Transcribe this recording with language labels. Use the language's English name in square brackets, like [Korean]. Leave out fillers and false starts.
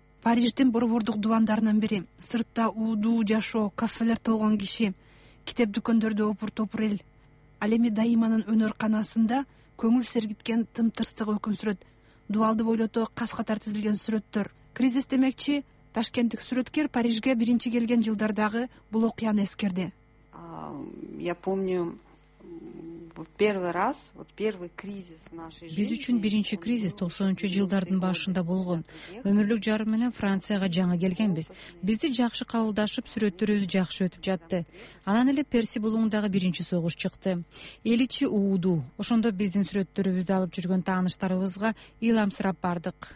[Kyrgyz] Париждин борбордук дубандарынын бири, сыртта уудуу жашоо, кафелер толгон киши, китеп дүкөндөрдө опур топур эл. Ал эми дайыманын өнөр канасында көңүл сергиткен тымтырстык өкүм сүрөт, дубалды бойлото кас катар тизилген сүрөттөр. Кризис демекчи, ташкенттик сүрөткер Парижге биринчи келген жылдардагы бул окуяны эскерди. [Russian] Я помню, первый раз, первый кризис в нашей жизни. [Kyrgyz] Биз үчүн биринчи кризис 90-жылдардын башында болгон. Өмүрлүк жарым менен Францияга жаңы келгенбиз. Бизди жакшы кабылдашып, сүрөттөрүбүз жакшы өтүп жатты. Анан эле Перси булуңундагы биринчи согуш чыкты. Эл ичи ууду. Ошондо биздин сүрөттөрүбүздү алып жүргөн тааныштарыбызга ыйламсырап бардык.